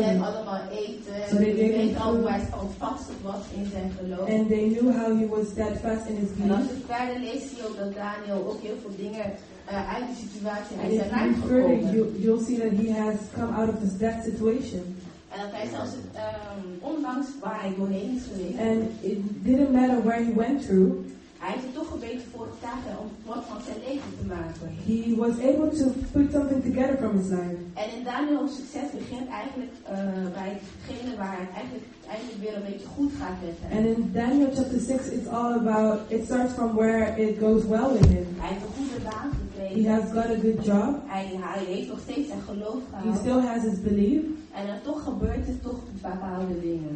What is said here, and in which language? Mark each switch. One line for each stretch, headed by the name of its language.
Dutch: Ze gaven hem allemaal eten.
English: So they gave him food.
Dutch: Hoe hij standvastig was in zijn geloof.
English: And they knew how he was steadfast in his belief.
Dutch: En als je verder leest, zie je ook dat Daniel ook heel veel dingen uit de situatie uit zijn raak gekomen.
English: And if you read, you'll see that he has come out of his death situation.
Dutch: En dat hij zelfs ondanks waar hij doorheen is geweest.
English: And it didn't matter where he went through.
Dutch: Hij heeft het toch een beetje voor elkaar om wat van zijn leven te maken.
English: He was able to put something together from his life.
Dutch: En in Daniel's succes begint eigenlijk bij hetgene waar het eigenlijk weer een beetje goed gaat met hem.
English: And in Daniel chapter 6, it's all about, it starts from where it goes well with him.
Dutch: Hij heeft een goede baan gekregen.
English: He has got a good job.
Dutch: Hij heeft nog steeds zijn geloof gehad.
English: He still has his belief.
Dutch: En dan toch gebeurt er toch bepaalde dingen.